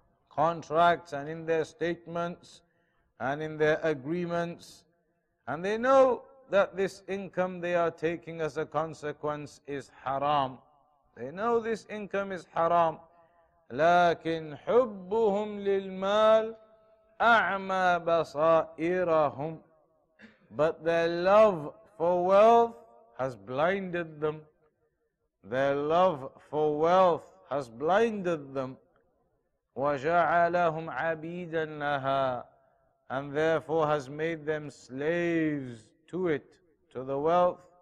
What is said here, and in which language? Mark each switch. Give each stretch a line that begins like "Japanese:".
English: contracts and in their statements and in their agreements, and they know that this income they are taking as a consequence is haram. They know this income is haram.
Arabic: لكن حبهم للمال أعمى بصائرهم.
English: But their love for wealth has blinded them. Their love for wealth has blinded them.
Arabic: وَجَعَلَهُمْ عَبِيدًا لَهَا.
English: And therefore has made them slaves to it, to the wealth.